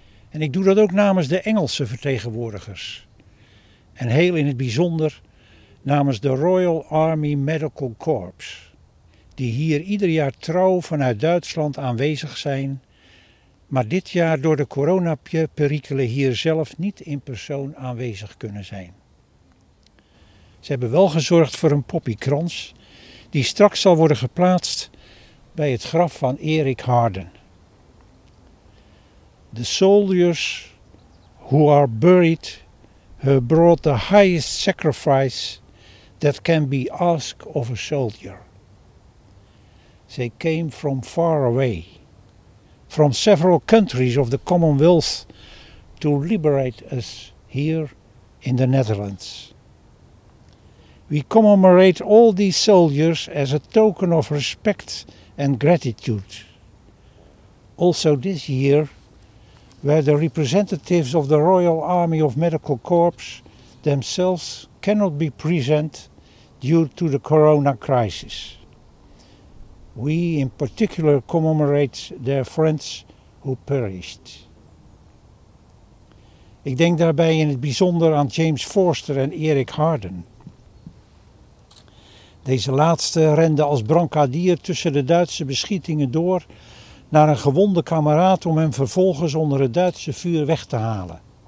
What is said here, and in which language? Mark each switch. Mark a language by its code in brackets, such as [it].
[nl] En ik doe dat ook namens de Engelse vertegenwoordigers. En heel in het bijzonder namens de Royal Army Medical Corps, die hier ieder jaar trouw vanuit Duitsland aanwezig zijn, maar dit jaar door de coronaperikelen hier zelf niet in persoon aanwezig kunnen zijn. Ze hebben wel gezorgd voor een poppiekrans die straks zal worden geplaatst bij het graf van Erik Harden. [en] The soldiers who are buried have brought the highest sacrifice that can be asked of a soldier. They came from far away, from several countries of the Commonwealth, to liberate us here in the Netherlands. We commemorate all these soldiers as a token of respect and gratitude. Also this year, where the representatives of the Royal Army of Medical Corps themselves cannot be present due to the corona crisis. We in particular commemorate their friends who perished. [nl] Ik denk daarbij in het bijzonder aan James Forster en Erik Harden. Deze laatste rende als brancardier tussen de Duitse beschietingen door naar een gewonde kameraad om hem vervolgens onder het Duitse vuur weg te halen.